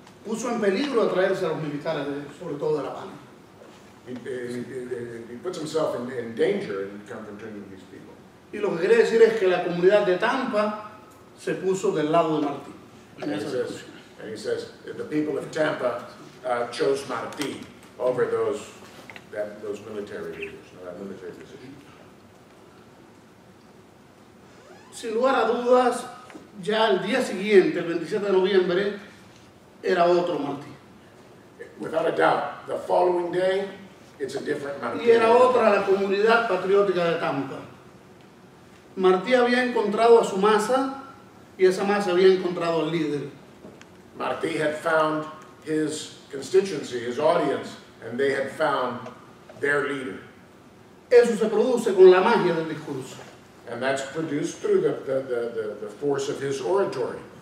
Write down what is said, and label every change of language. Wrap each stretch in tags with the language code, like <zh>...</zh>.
<es>Puso en peligro atraerse a los militares, sobre todo de La Habana.</es> <en>He puts himself in danger in confronting these people.</en> <es>Y lo que quiere decir es que la comunidad de Tampa se puso del lado de Martí.</es> <en>And he says, the people of Tampa chose Martí over those military leaders, that military decision.</en> <es>Sin lugar a dudas, ya el día siguiente, el 27 de noviembre, era otro Martí.</es> <en>Without a doubt, the following day, it's a different Martí.</en> <es>Y era otra la comunidad patriótica de Tampa. Martí había encontrado a su masa y esa masa había encontrado al líder.</es> <en>Martí had found his constituency, his audience, and they had found their leader.</en> <es>Eso se produce con la magia del discurso.</es> <en>And that's produced through the force of his oratory.</en>